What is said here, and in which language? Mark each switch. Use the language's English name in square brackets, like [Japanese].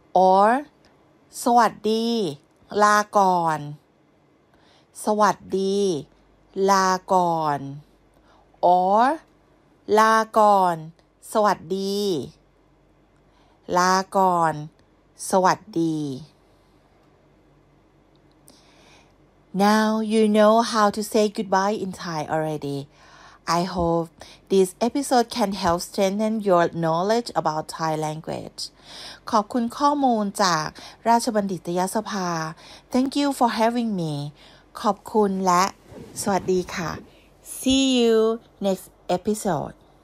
[Thai] or สวัสดีลาก่อนสวัสดีลาก่อน or ลาก่อนสวัสดีลาก่อนสวัสดี [English] Now you know how to say goodbye in Thai already. I hope this episode can help strengthen your knowledge about Thai language. [Thai] ขอบคุณข้อมูลจากราชบัณฑิตยสภา [English] Thank you for having me. [Thai] ขอบคุณและสวัสดีค่ะ [English] See you next episode.